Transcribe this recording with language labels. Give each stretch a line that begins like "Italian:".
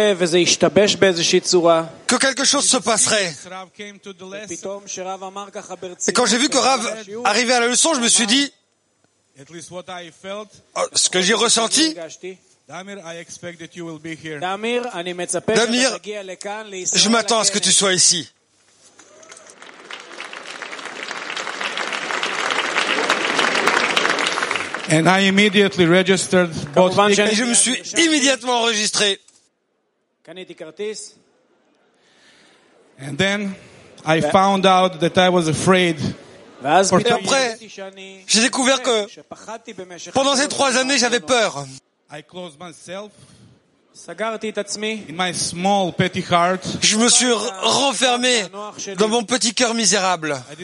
French: Que quelque chose se passerait. Et quand j'ai vu que Rav arrivait à la leçon, je me suis dit,
English: at least what I felt.
French: Ce que j'ai ressenti.
English: Damir, I expect that you will be here.
Hebrew: Damir, אני מצפה שתגיע לכאן לישראל.
French: Je m'attends à ce que tu sois ici.
English: And I immediately registered both tickets.
French: Et je me suis immédiatement enregistré.
Hebrew: קניתי כרטיס.
English: And then I found out that I was afraid.
French: Et après, j'ai découvert que pendant ces 3 années, j'avais peur. Je me suis renfermé dans mon petit cœur misérable.